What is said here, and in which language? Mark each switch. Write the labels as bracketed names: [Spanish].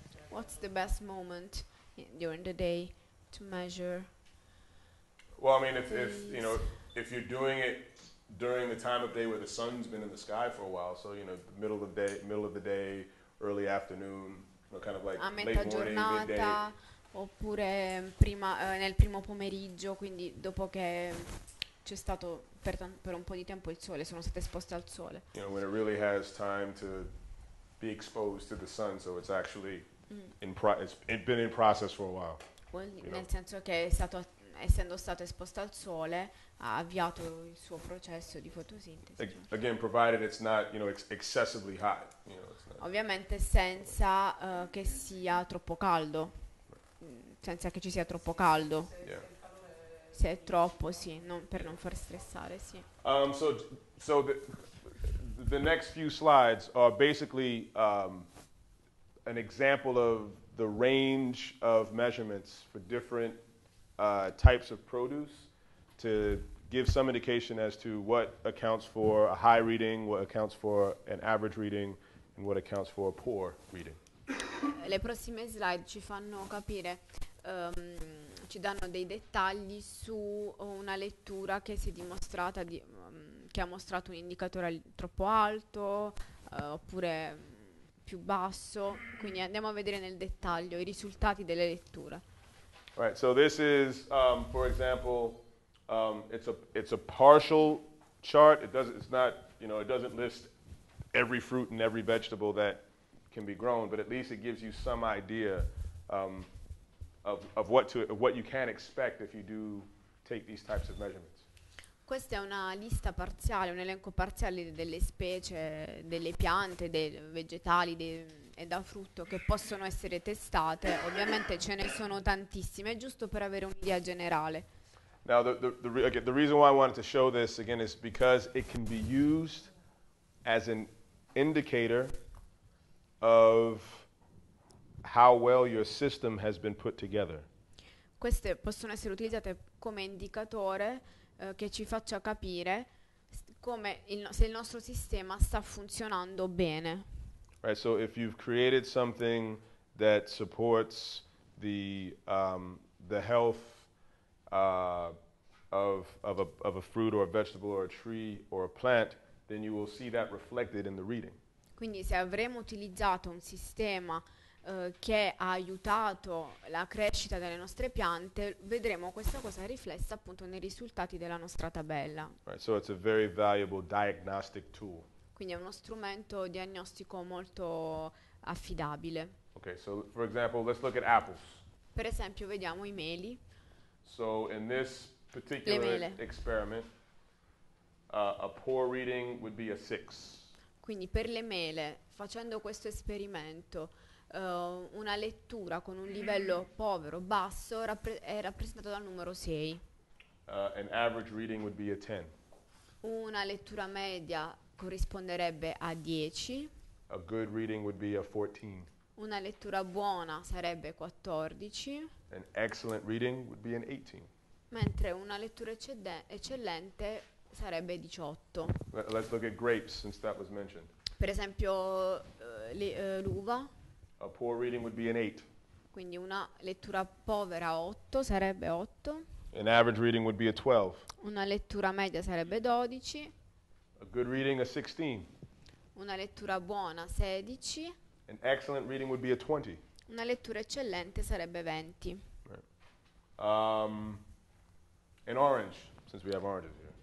[English] what's the best moment during the day to measure? Well, I mean, if you're doing it during the time of day where the sun's been in the sky for a while, so you know, the middle of the day, early afternoon, you know, kind of like a late morning, [Italian] giornata, [English] midday, [Italian] oppure prima nel primo pomeriggio, quindi dopo che c'è stato per un po' di tempo il sole, sono state esposte al sole. [English] You know, when it really has time to be exposed to the sun, so it's actually it's been in process for a while. [Italian] Well, nel senso che essendo stato esposto al sole, ha avviato il suo processo di fotosintesi. [English] Again, provided it's not, you know, excessively hot. You know, it's not [Italian] ovviamente senza che sia troppo caldo. Senza che ci sia troppo caldo. [English] Yeah. [Italian] Se è troppo, sì, per non far stressare, sì. [English] So the next few slides are basically an example of the range of measurements for different types of produce to give some indication as to what accounts for a high reading, what accounts for an average reading, and what accounts for a poor reading. [Italian] Le prossime slide ci fanno capire. Ci danno dei dettagli su una lettura che si è dimostrata che ha mostrato un indicatore troppo alto oppure più basso. Quindi andiamo a vedere nel dettaglio i risultati delle letture. [English] Right, so this is for example it's a partial chart. It doesn't list every fruit and every vegetable that can be grown, but at least it gives you some idea of what you can expect if you do take these types of measurements. [Italian] Questa è una lista parziale, un elenco parziale delle specie, delle piante, dei vegetali e da frutto che possono essere testate. Ovviamente ce ne sono tantissime, giusto per avere un'idea generale. [English] Now the reason why I wanted to show this again is because it can be used as an indicator of how well your system has been put together. [Italian] Queste possono essere utilizzate come indicatore che ci faccia capire se il nostro sistema sta funzionando bene. [English] Right, so if you've created something that supports the health of a fruit or a vegetable or a tree or a plant, then you will see that reflected in the reading. [Italian] Quindi se avremo utilizzato un sistema che ha aiutato la crescita delle nostre piante, vedremo questa cosa riflessa appunto nei risultati della nostra tabella. [English] Right, so it's a very valuable diagnostic tool. [Italian] Quindi è uno strumento diagnostico molto affidabile. [English] Okay, so for example, let's look at apples. P- [Italian] Per esempio, vediamo i meli. [English] So in this particular experiment, a poor reading would be a 6. [Italian] Quindi per le mele, facendo questo esperimento, una lettura con un livello povero, basso, è rappresentata dal numero 6. [English] An average reading would be a 10. [Italian] Una lettura media corrisponderebbe a 10. [English] A good reading would be a 14. [Italian] Una lettura buona sarebbe 14. [English] An excellent reading would be an 18. [Italian] Mentre una lettura eccellente sarebbe 18. [English] Let's look at grapes, since that was mentioned. [Italian] Per esempio, l'uva. [English] A poor reading would be an 8. [Italian] Quindi una lettura povera 8 sarebbe 8. [English] An average reading would be a 12. [Italian] Una lettura media sarebbe 12. [English] A good reading a 16. [Italian] Una lettura buona 16. [English] An excellent reading would be a 20. [Italian] Una lettura eccellente sarebbe 20. [English] Right. An orange, since we have oranges here.